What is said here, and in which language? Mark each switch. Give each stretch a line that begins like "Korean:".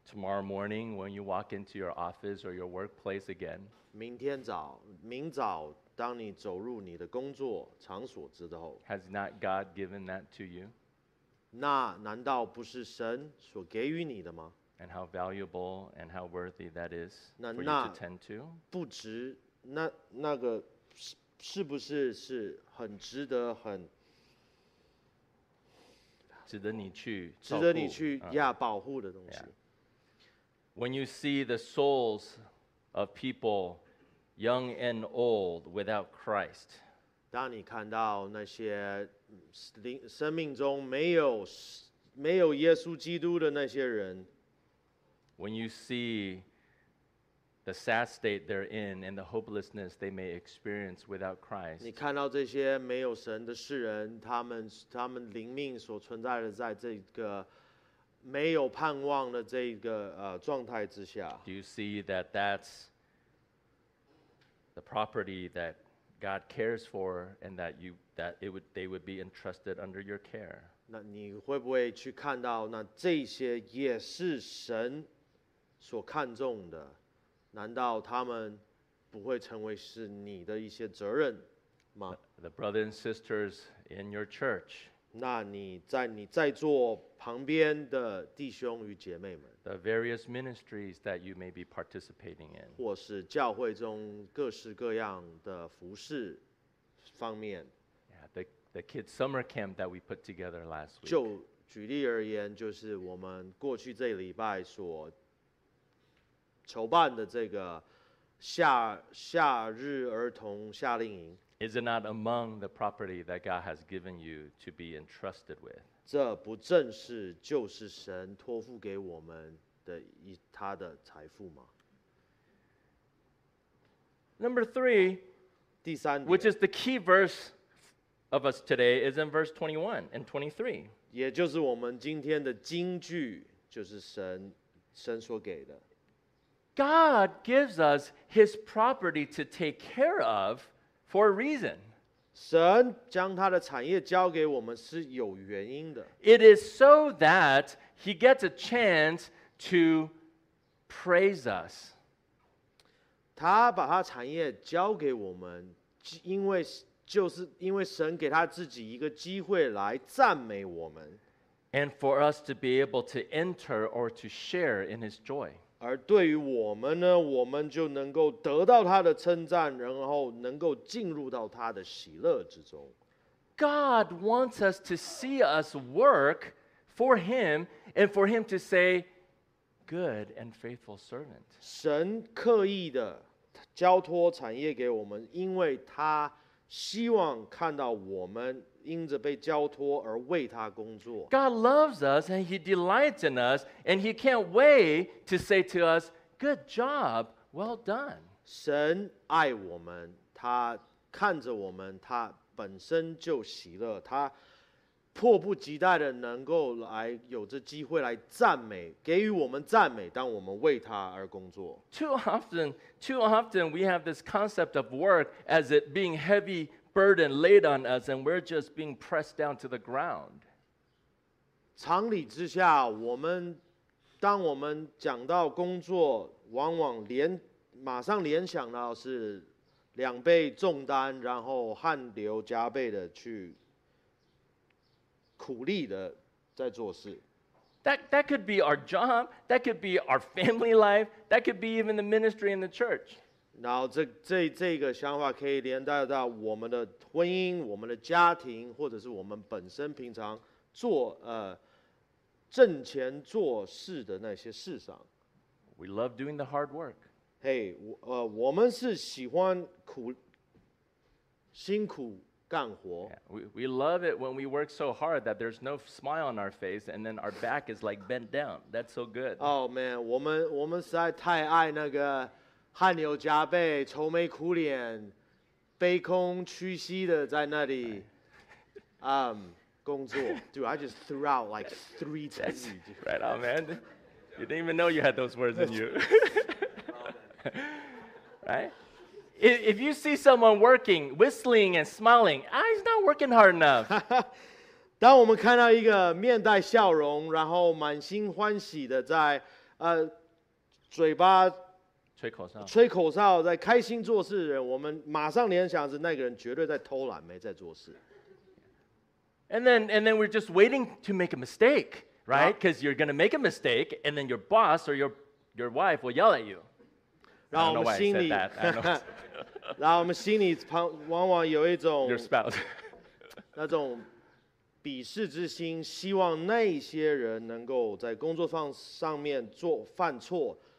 English: Tomorrow morning, when you walk into your office or your workplace again,
Chinese: 明早当你走入你的工作场所之后，
English: has not God given that to you?
Chinese: 那难道不是神所给予你的吗？
English: And how valuable and how worthy that is for you to tend to?
Chinese: 不值，那个是不是是很值得很？值得你去照顾，值得你去呀保护的东西。
English: When you see the souls of people, young and old, without Christ,
Chinese: 当你看到那些生命中没有耶稣基督的那些人，
English: When you see the sad state they're in and the hopelessness they may experience without Christ.
Chinese: 你看到这些没有神的世人，他们灵命所存在的在这个没有盼望的这个状态之下。
English: Do you see that that's the property that God cares for and that you that it would they would be entrusted under your care?
Chinese: 那你会不会去看到那这些也是神所看重的？难道他们不会成为是你的一些责任吗？
English: The brothers and sisters in your church.
Chinese: 那你在座旁边的弟兄与姐妹们。
English: The various ministries that you may be participating in.
Chinese: 或是教会中各式各样的服事方面。
English: Yeah, the kids summer camp that we put together last week.
Chinese: 就举例而言，就是我们过去这礼拜所筹办的这个 夏日儿童夏令营。
English: Is it not among the property that God has given you to be entrusted with?
Chinese: 这不正是就是神托付给我们的他的财富吗？
English: Number three,
Chinese: 第三点，
English: which is the key verse of us today, is in verse 21 and 23.
Chinese: 也就是我们今天的金句，就是神所给的。
English: God gives us his property to take care of for a reason.
Chinese: 神将他的产业交给我们是有原因的。
English: It is so that he gets a chance to praise us.
Chinese: 他把他产业交给我们，因为神给他自己一个机会来赞美我们。
English: And for us to be able to enter or to share in his joy.
Chinese: 而对于我们呢，我们就能够得到他的称赞，然后能够进入到他的喜乐之中。
English: God wants us to see us work for him and for him to say, good and faithful servant.
Chinese: 神刻意的交托产业给我们，因为他希望看到我们因着被交托而为他工作。
English: God loves us and he delights in us and he can't wait to say to us, good job, well done.
Chinese: 神爱我们，他看着我们，他本身就喜乐，他迫不及待的能够来有这机会来赞美，给予我们赞美，当我们为他而工作。
English: Too often we have this concept of work as it being heavyburden laid on us and we're just being pressed down to the ground.
Chinese: 常理之下，当我们讲到工作，往往马上联想到是两倍重担，然后汗流浃背的去苦力的在做事。
English: That could be our job, that could be our family life, that could be even the ministry in the church.
Chinese: 然后这个想法可以连带到我们的婚姻、我们的家庭，或者是我们本身平常做挣钱做事的那些事上。
English: We love doing the hard work. Hey,
Chinese: 我们是喜欢辛苦干活。
English: Yeah, we love it when we work so hard that there's no smile on our face and then our back is like bent down. That's so good. Oh man,
Chinese: 我们实在太爱那个。汗流浃背，愁眉苦脸，悲空屈膝的在那里，工作。
English: Dude, I just threw out like three times. Right on, man. You didn't even know you had those words in you. Right? If you see someone working, whistling and smiling, he's not working hard enough.
Chinese: 当我们看到一个面带笑容，然后满心欢喜的在嘴巴吹口哨在开心做事的人，我们马上联想着那个人绝对在偷懒，没在做事。
English: And then we're just waiting to make a mistake, right? Because you're going to make a mistake, and then your boss or your wife will yell at you. I don't know why I said that.